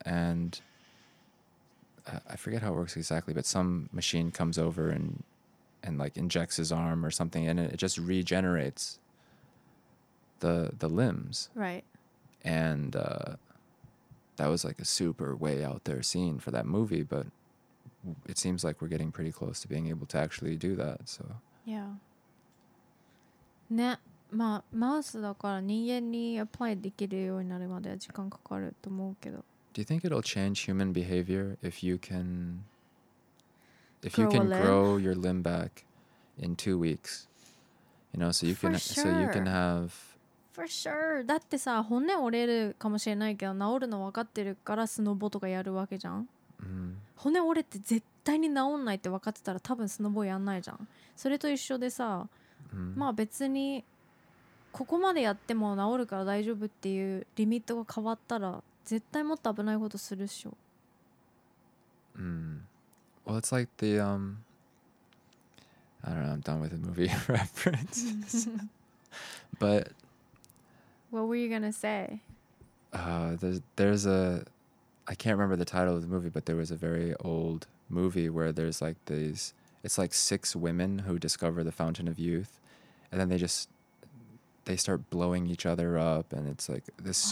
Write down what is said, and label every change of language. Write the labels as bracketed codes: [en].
[en] And I forget how it works exactly, but some machine comes over and like injects his arm or something. And it just regenerates the limbs. Right. And that was like a super way out there scene for that movie. But it seems like we're getting pretty close to being able to actually do that. So. Yeah. [ja] ね、まあマウスだから人間にアプライできるようになるまで時間かかると思うけど。 [en] Do you think it'll change human behavior if you can, if you can grow your limb back in 2 weeks? You know, so you can, so you can have. For sure. [ja] だってさ、骨折れるかもしれないけど治るの分かってるからスノボとかやるわけじゃん。骨折れて絶対に治んないって分かってたら多分スノボやんないじゃん。それと一緒でさ、まあ別にここまでやっても治るから大丈夫っていうリミットが変わったら絶対もっと危ないことするっしょ。 [en] Well, it's like the, I don't know, I'm done with the movie reference. But what were you gonna say? There's a, I can't remember the title of the movie, but there was a very old movie where there's like these, it's like six women who discover the Fountain of Youth, and then they just, they start blowing each other up, and it's like this what?